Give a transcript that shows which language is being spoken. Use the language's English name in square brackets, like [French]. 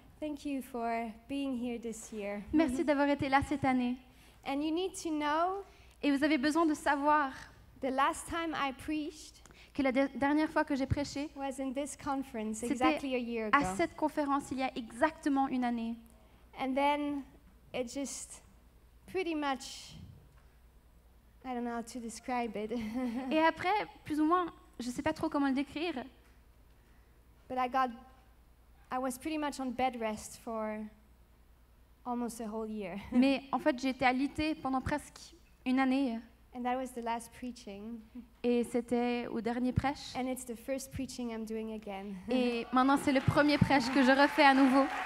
[English] Thank you for being here this year. [French] Merci d'avoir été là cette année. [English] And you need to know. [French] Et vous avez besoin de savoir. [English] The last time I preached. [French] Que la dernière fois que j'ai prêché, [English] was in this conference, [French] c'était [English] exactly a year ago. [French] À cette conférence il y a exactement une année. [English] And then it just pretty much, I don't know how to describe it. [French] Et après, plus ou moins, je ne sais pas trop comment le décrire. [English] But I was pretty much on bed rest for almost a whole year. [French] Mais en fait, j'ai été alitée pendant presque une année. [English] And that was the last preaching. [French] Et c'était au dernier prêche. [English] And it's the first preaching I'm doing again. [French] Et maintenant c'est le premier prêche que je refais à nouveau.